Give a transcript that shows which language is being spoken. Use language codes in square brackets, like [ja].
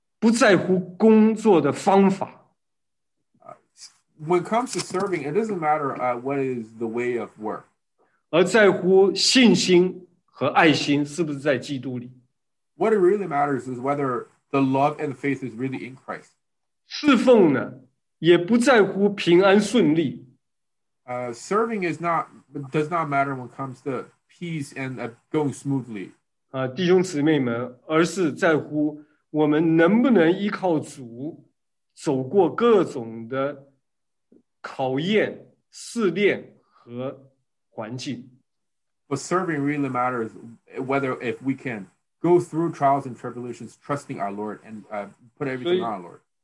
[zh] 弟兄姊妹，侍奉啊，不在乎工作的方法。 [en] When it comes to serving, it doesn't matter what is the way of work. [zh] 而在乎信心和爱心是不是在基督里。 [en] What it really matters is whether the love and the faith is really in Christ. [zh] 侍奉呢, 也不在乎平安顺利。 [en] Serving does not matter when it comes to peace and going smoothly. [zh] 弟兄姊妹们, 而是在乎我们能不能依靠主走过各种的 考验、试炼和环境。 [en] But serving really matters whether if we can go through trials and tribulations, trusting our Lord and put everything on our Lord.